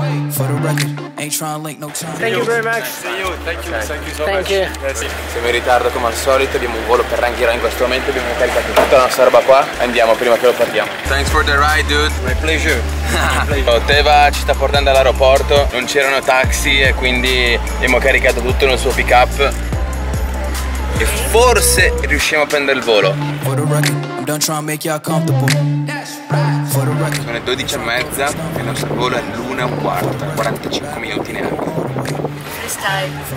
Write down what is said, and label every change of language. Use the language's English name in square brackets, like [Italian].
[English] For the record, ain't trying to link no time. Thank you very much. See you. Thank you. Thank you so much. [Italian] Siamo in ritardo come al solito, abbiamo un volo per Rangiro in questo momento, abbiamo caricato tutta la nostra roba qua, andiamo prima che lo perdiamo. [English] Thanks for the ride, dude. My pleasure. [Italian] Teva ci sta portando all'aeroporto, non c'erano taxi e quindi abbiamo caricato tutto nel suo pick up e forse riusciamo a prendere il volo. [English] For the record, I'm done trying to make y'all comfortable. [Italian] Sono le 12:30 e il nostro volo è l'1:15, 45 minuti neanche. [English] Freestyle.